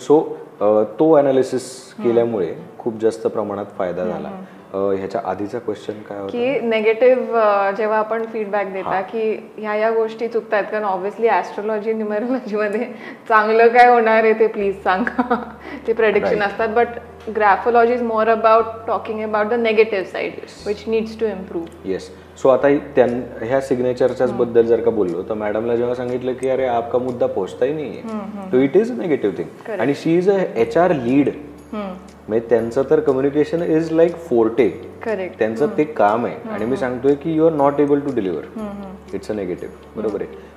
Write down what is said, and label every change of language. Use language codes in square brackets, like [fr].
[mr] So तो analysis केल्यामुळे खूप जास्त प्रमाणात फायदा झाला. ह्याच्या आधीचा क्वेश्चन काय होता की नेगेटिव्ह जेव्हा आपण फीडबॅक देता की ह्या गोष्टी चुकतात, कारण ऑब्व्हियसली ॲस्ट्रॉलॉजी न्युमरोलॉजी मध्ये चांगलं काय होणार आहे ते प्लीज सांगा, ते प्रेडिक्शन असतात, but [en] graphology is more about talking about the negative side, yes, which needs to improve. Yes. [mr] So आता त्यान ह्या signatures बद्दल जर का बोललो तो मॅडम ला जेव्हा सांगितलं की अरे आपका मुद्दा पोहोचता ही नाहीये, तो [en] It is a negative thing. आणि she is a H R lead, [mr] त्यांचं तर [en] communication is like forte, correct, [mr] त्यांचं ते काम आहे. आणि मी सांगतोय की [en] you are not able to deliver, it's a negative, [mr] बरोबर आहे.